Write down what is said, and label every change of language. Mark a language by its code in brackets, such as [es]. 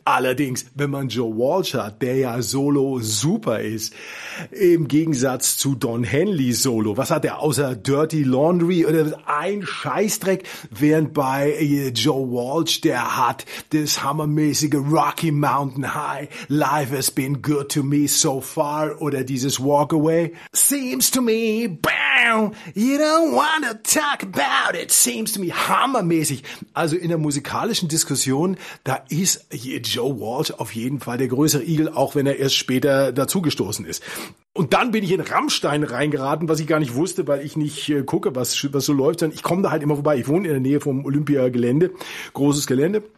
[de] Allerdings, wenn man Joe Walsh hat, der ja Solo super ist, im Gegensatz zu Don Henley Solo, was hat er außer Dirty Laundry oder ein Scheißdreck, während bei Joe Walsh, der hat das hammermäßige Rocky Mountain High, Life Has Been Good To Me So Far oder dieses Walk Away. [en] Seems to me, bam, you don't wanna talk about it, seems to me, [de] hammermäßig. Also in der musikalischen Diskussion, da ist Joe Walsh auf jeden Fall der größere Eagle, auch wenn er erst später dazugestoßen ist. Und dann bin ich in Rammstein reingeraten, was ich gar nicht wusste, weil ich nicht gucke, was so läuft. Ich komme da halt immer vorbei. Ich wohne in der Nähe vom Olympiagelände, großes Gelände.